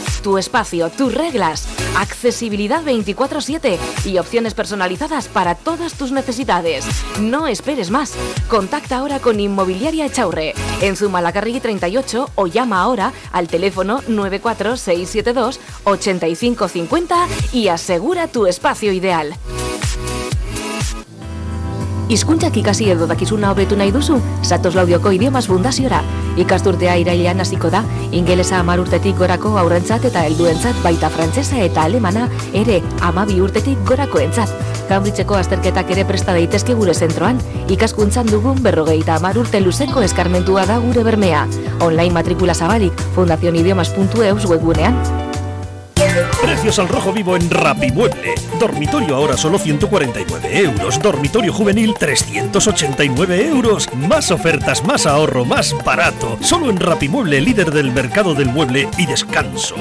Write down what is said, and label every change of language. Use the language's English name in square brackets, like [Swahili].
[Spanish] Tu espacio, tus reglas, accesibilidad 24/7 y opciones personalizadas para todas tus necesidades. No esperes más. Contacta ahora con Inmobiliaria Echaurre en Zumalacárregui 38 o llama ahora al teléfono 94672-8550 y asegura tu espacio ideal. [Basque] Hizkuntzak ikasi edo dakizuna hobetu nahi duzu? Zatoz Laudioko Idiomas Fundaziora. Ikasturtea irailean hasiko da, ingelesa 10 urtetik gorako haurrentzat eta helduentzat, baita frantsesa eta alemana ere 12 urtetik gorakoentzat. Cambridgeko azterketak ere presta daitezke gure zentroan. Ikaskuntzan dugun 50 urte luzeko eskarmentua da gure bermea. Online matrícula zabalik fundacionidiomas.eu webunean. [Spanish] Precios al rojo vivo en Rapimueble. Dormitorio ahora solo 149 euros. Dormitorio juvenil 389 euros. Más ofertas, más ahorro, más barato. Solo en Rapimueble, líder del mercado del mueble y descanso.